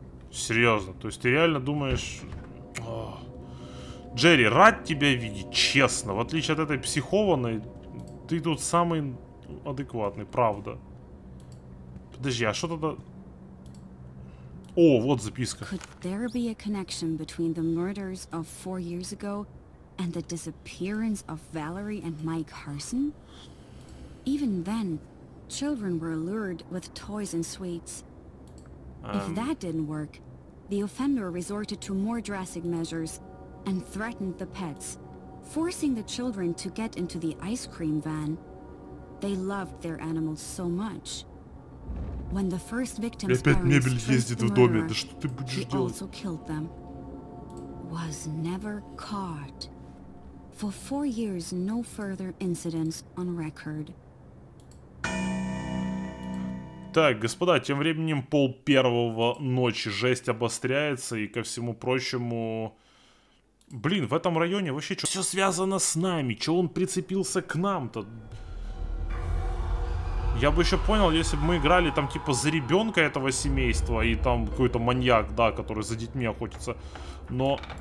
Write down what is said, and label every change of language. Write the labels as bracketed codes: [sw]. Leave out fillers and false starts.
[ru] Серьезно, то есть ты реально думаешь... Джерри, рад тебя видеть, честно. В отличие от этой психованной, ты тут самый адекватный, правда. Подожди, а что тогда... О, вот записка. [en] Could there be a connection between the murders of 4 years ago and the disappearance of Valerie and Mike Harson? Even then, children were lured with toys and sweets. If that didn't work, the offender resorted to more drastic measures and threatened the pets, forcing the children to get into the ice cream van. They loved their animals so much. When the first victim's parents traced the murderer, he also killed them. Was never caught. For 4 years, no further incidents on record. [ru] Так, господа, тем временем пол первого ночи, жесть обостряется, и ко всему прочему... Блин, в этом районе вообще что? Все связано с нами, что он прицепился к нам-то? Я бы еще понял, если бы мы играли там типа за ребенка этого семейства и там какой-то маньяк, да, который за детьми охотится. Но...